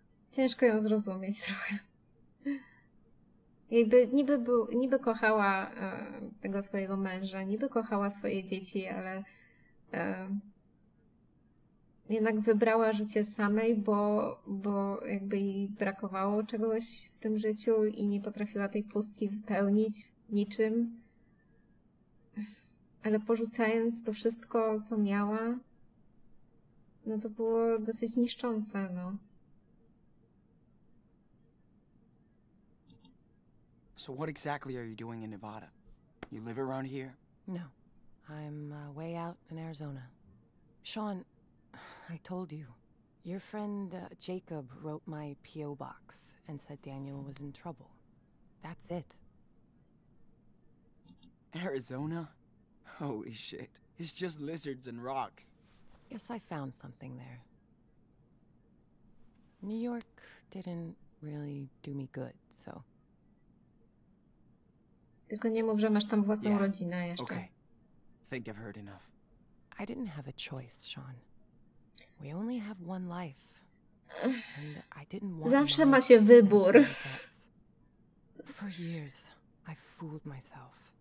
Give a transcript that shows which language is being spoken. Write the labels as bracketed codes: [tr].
[pl] Ciężko ją zrozumieć trochę. Jakby niby kochała tego swojego męża, niby kochała swoje dzieci, ale jednak wybrała życie samej, bo jakby jej brakowało czegoś w tym życiu i nie potrafiła tej pustki wypełnić niczym. Ale porzucając to wszystko, co miała, no to było dosyć niszczące, no. [en] So what exactly are you doing in Nevada? You live around here? No. I'm way out in Arizona. Sean, I told you. Your friend Jacob wrote my P.O. box and said Daniel was in trouble. That's it. Arizona? Holy shit. It's just lizards and rocks. Yes, I found something there. New York didn't really do me good, so. [pl] Tylko nie mów, że masz tam własną rodzinę jeszcze. [en] Okay. Think I've heard enough. I didn't have a choice, Sean. We only have one life. And I didn't want [pl] zawsze ma się wybór. [en] For years, I fooled myself.